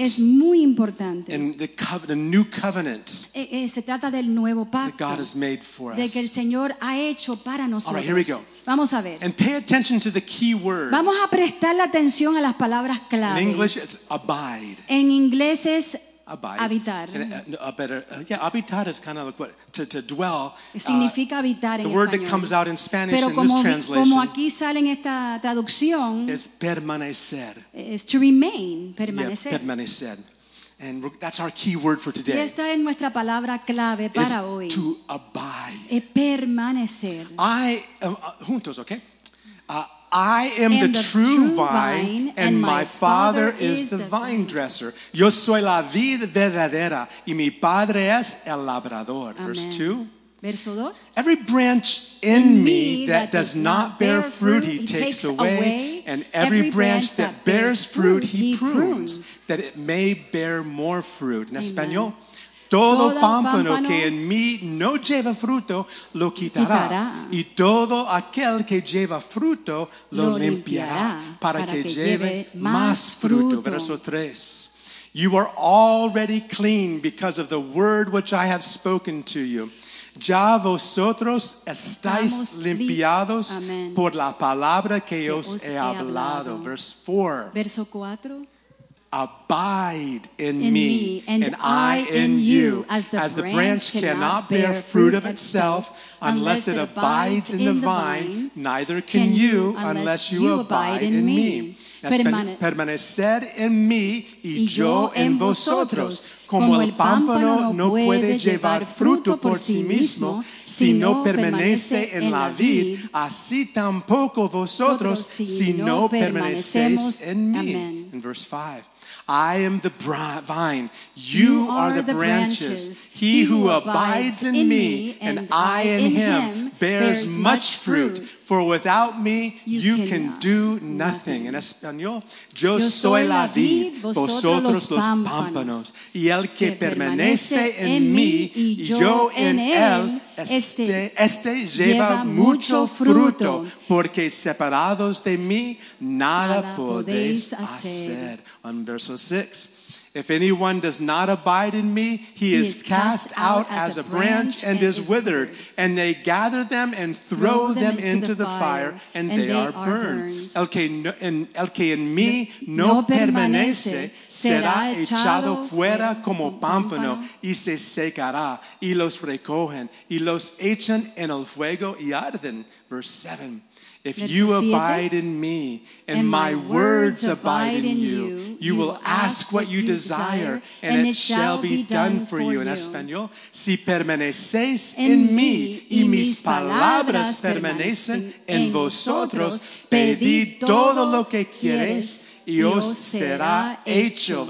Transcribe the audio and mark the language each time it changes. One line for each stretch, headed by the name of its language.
Spanish: Es muy importante.
English: And the new covenant
Spanish: se trata del nuevo pacto
English: that God has made for for us.
Spanish: De que el Señor ha hecho para nosotros.
English: All right, here we go.
Spanish: Vamos a ver.
English: And pay attention to the key word.
Spanish: Vamos a prestar la atención a las palabras clave.
English: In English, it's abide.
Spanish: En inglés es abide. Habitar.
English: And a better, yeah, habitar is kind of like what to dwell.
Spanish: Significa habitar en español.
English: The word that comes out in Spanish
Spanish: Pero
English: in this translation.
Spanish: Como aquí sale en esta traducción. Es permanecer.
English: Is to remain. Permanecer. Yeah, permanecer. And that's our key word for today.
Spanish: Y esta es nuestra palabra clave para hoy.
English: To abide.
Spanish: Es permanecer.
English: I am, juntos, okay? I am the true vine, and my Father is the vine dresser.
Spanish: Yo soy la vid verdadera, y mi Padre es el labrador. Amen.
English: Verse 2.
Spanish: Verso dos.
English: Every branch in me that does not bear fruit, he takes away. And every branch that bears fruit, he prunes, that it may bear more fruit.
Spanish: En español, todo pámpano que en mí no lleva fruto, lo quitará. Y todo aquel que lleva fruto, lo limpiará, para que lleve más fruto. Verso tres.
English: You are already clean because of the word which I have spoken to you.
Spanish: Ya vosotros estáis limpiados por la palabra que os he hablado.
English: Verse 4.
Spanish: Verso 4.
English: Abide in me, and I in you, as the branch cannot bear fruit of itself unless it abides in the vine, neither can you unless you abide in me.
Spanish: Permanecer en mí y yo en vosotros. Como el pámpano no puede llevar fruto por sí mismo si no permanece en la vid, así tampoco vosotros si no permanecéis en mí. Amen.
English: In verse 5. I am the vine, you are the branches. He who abides in me and I in him bears much fruit. For without me, you can do nothing.
Spanish: En español, yo soy la vid, vosotros los pámpanos. Y el que permanece en mí y yo en él, este lleva mucho fruto. Porque separados de mí, nada podéis hacer. On verso 6.
English: If anyone does not abide in me, he is cast out as a branch and is withered. And they gather them and throw them into the fire, and they are burned.
Spanish: El que en mí no permanece será echado fuera como pámpano y se secará. Y los recogen y los echan en el fuego y arden.
English: Verse 7. If you abide in me and my words abide in you, you will ask what you desire and it shall be done for you.
Spanish: En español, si permanecéis en mí y mis palabras permanecen en vosotros, pedid todo lo que quieres y os será hecho.